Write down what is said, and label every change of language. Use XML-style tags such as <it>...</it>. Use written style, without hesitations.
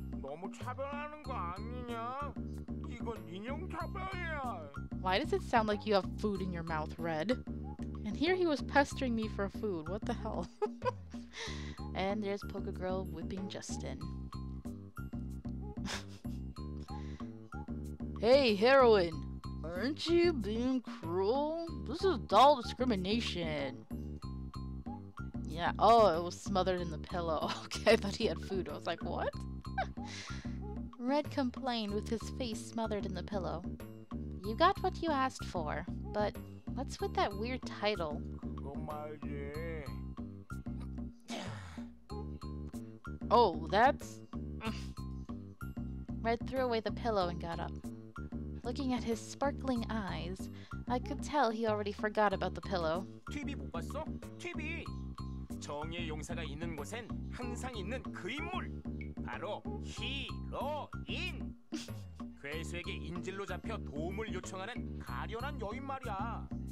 <ko>너무 차별하는 거 아니냐? 이건 인형 차별이야.</ko> <en>Why does it sound like you have food in your mouth, Red? And here he was pestering me for food. What the hell? And there's Poke Girl whipping Justin. Hey, heroine. Aren't you being cruel? This is doll discrimination. Yeah, oh, it was smothered in the pillow. Okay, I thought he had food. I was like, what? Red complained with his face smothered in the pillow. You got what you asked for, but what's with that weird title? Oh, that's... Red threw away the pillow and got up. Looking at his sparkling eyes, I could tell he already forgot about the pillow.</en> <ko>TV 못 봤어? TV! 정의의 용사가 있는 곳엔 항상 있는 그 인물! 바로 히로인! 괴수에게 인질로 잡혀 도움을 요청하는 가련한 여인 말이야!</ko>